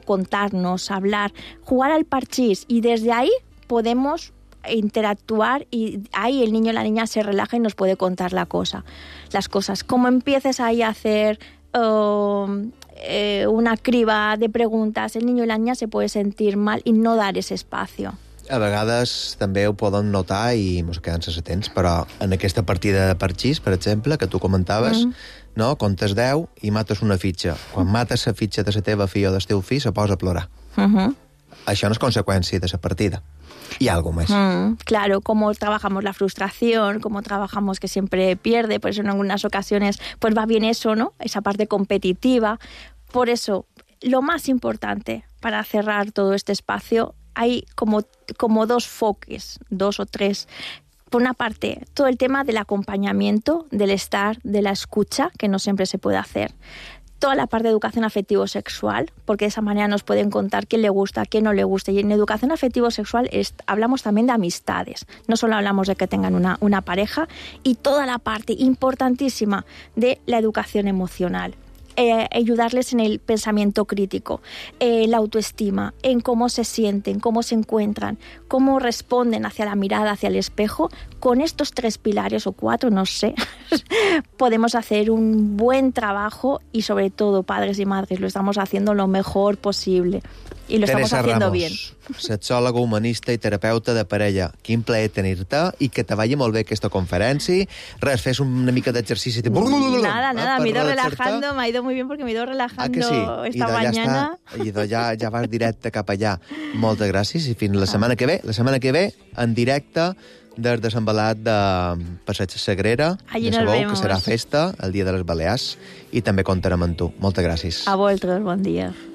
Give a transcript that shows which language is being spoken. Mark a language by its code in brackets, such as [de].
[es] Contarnos, hablar, jugar al parchís, y desde ahí podemos interactuar, y ahí el niño o la niña se relaja y nos puede contar las cosas. Como empieces ahí a hacer una criba de preguntas, el niño o la niña se puede sentir mal y no dar ese espacio. [ca] A vegades també ho poden notar i ens quedem sense temps, però en aquesta partida de parxís, per exemple, que tu comentaves, no, comptes 10 i mates una fitxa. Quan mates la fitxa de la teva filla o del teu fill, se posa a plorar. Això no és conseqüència de la partida. [es] Y algo más. Claro, cómo trabajamos la frustración, cómo trabajamos que siempre pierde, por eso en algunas ocasiones pues va bien eso, ¿no? Esa parte competitiva. Por eso, lo más importante para cerrar todo este espacio, hay como dos foques, dos o tres. Por una parte, todo el tema del acompañamiento, del estar, de la escucha, que no siempre se puede hacer. Toda la parte de educación afectivo-sexual, porque de esa manera nos pueden contar quién le gusta, quién no le gusta. Y en educación afectivo-sexual hablamos también de amistades. No solo hablamos de que tengan una pareja. Y toda la parte importantísima de la educación emocional. Ayudarles en el pensamiento crítico, la autoestima, en cómo se sienten, cómo se encuentran, cómo responden hacia la mirada, hacia el espejo. Con estos tres pilares, o cuatro, no sé, podemos hacer un buen trabajo y sobre todo, padres y madres, lo estamos haciendo lo mejor posible y lo Teresa estamos haciendo Ramos, bien. [ca] Sexòloga, humanista i terapeuta de parella. Quin plaer tenir-te i que te vagi molt bé aquesta conferència. Res, fes una mica d'exercici. [es] Nada, nada, m'he ido relajando, m'ha ido muy bien porque m'he ido relajando esta mañana. [ca] Idò ja vas directe cap allà. Moltes gràcies i fins la setmana que ve. La setmana que ve, en directe, del desembalat de Passeig Sagrera. [es] Allí nos vemos. [ca] Que serà festa el dia de les Balears i també comptarem amb tu. Moltes gràcies. A vosaltres, bon dia.